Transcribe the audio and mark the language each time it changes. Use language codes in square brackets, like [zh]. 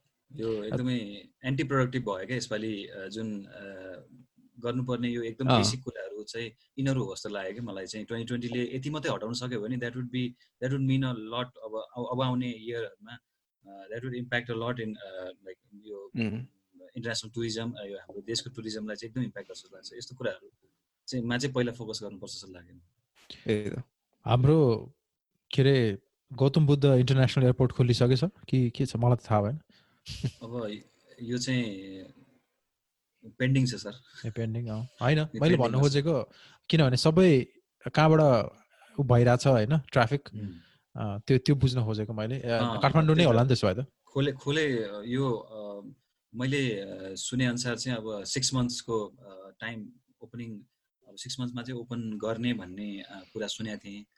[ne] यो एकदमै anti productive भयो क्या यसपालि जुन गर्नुपर्ने यो एकदम बेसिक कुराहरू चाहिँ यिनीहरू हो जस्तो लाग्यो क्या मलाई चाहिँ 2020 यति मात्रै हटाउन सक्यो भने [en] That would be that would mean a lot. [ne] अब आउने इयरहरूमा [en] that would impact a lot in like [ne] यो इन्टरनेसनल टुरिज्म यो हाम्रो देशको टुरिज्मलाई चाहिँ एकदम इम्प्याक्ट गर्छ जस्तो लाग्छ. यस्तो कुराहरू चाहिँ मा चाहिँ पहिला फोकस गर्नुपर्छ जस्तो लाग्यो. हाम्रो के अरे गौतम बुद्ध इन्टरनेसनल एयरपोर्ट खोलिसके छ कि के छ मलाई त थाहा भएन. अब यो चाहिँ पेन्डिङ छ सर. पेन्डिङ होइन मैले भन्नु खोजेको किनभने सबै कहाँबाट भइरहेछ होइन ट्राफिक त्यो त्यो बुझ्न खोजेको मैले. काठमाडौँ नै होला नि त्यसो भए त खोले यो मैले सुने अनुसार चाहिँ अब 6 months टाइम ओपनिङ 6 months चाहिँ ओपन गर्ने भन्ने कुरा सुनेको थिएँ.